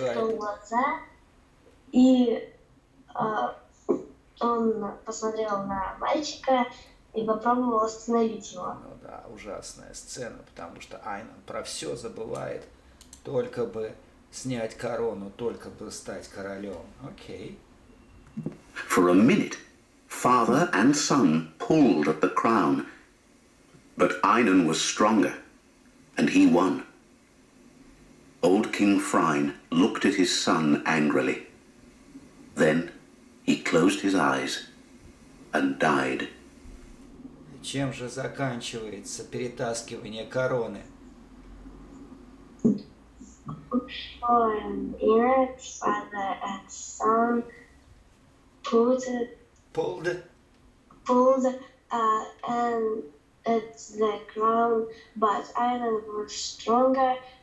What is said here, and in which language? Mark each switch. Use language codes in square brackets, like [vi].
[ru] Да, открыл глаза, и он посмотрел на мальчика и попробовал остановить его. Ну да, ужасная сцена, потому что Айнан про все забывает, только бы снять корону, только бы стать королем. Окей. [en] For a minute, father and son pulled at the crown, but Einan was stronger, and he won. Old King Frein looked at his son angrily. Then he closed his eyes and died. [ru] Чем же заканчивается перетаскивание короны? [en] For a minute, father and son pulled at the crown, but Einan was stronger.